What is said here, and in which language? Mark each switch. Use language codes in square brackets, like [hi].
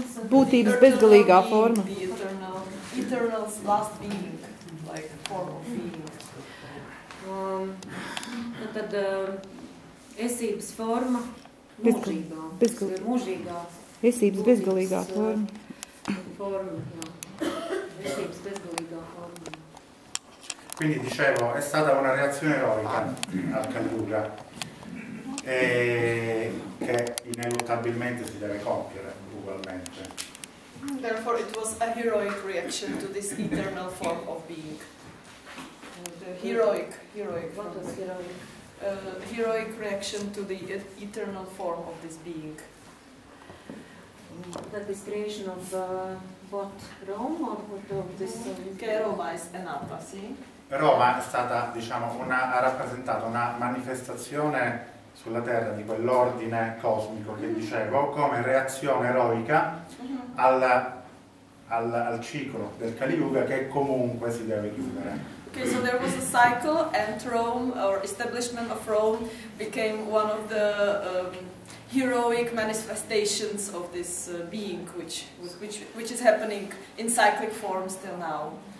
[lv] Būtības bezgalīgā forma. [en] Eternal's last being, like form of being. [lv] Tad esības forma mūžīgā. Esības bezgalīgā forma. Forma, esības bezgalīgā forma. [it] Quindi dicevo, è stata una reazione eroica a Kali Yuga. E che ineluttabilmente si deve compiere ugualmente. [en] Therefore it was a heroic reaction to this eternal form of being. Heroic. What was heroic? Heroic reaction to the eternal form of this being. The description of what? Rome or what of this? [it] Che Roma è nata, sì? Roma è stata, diciamo, ha rappresentato una manifestazione sulla Terra di quell'ordine cosmico che dicevo, come reazione eroica al ciclo del Kali Yuga che comunque si deve chiudere. [en] Okay, so there was a cycle and Rome, or establishment of Rome, became one of the heroic manifestations of this being which is happening in cyclic form still now.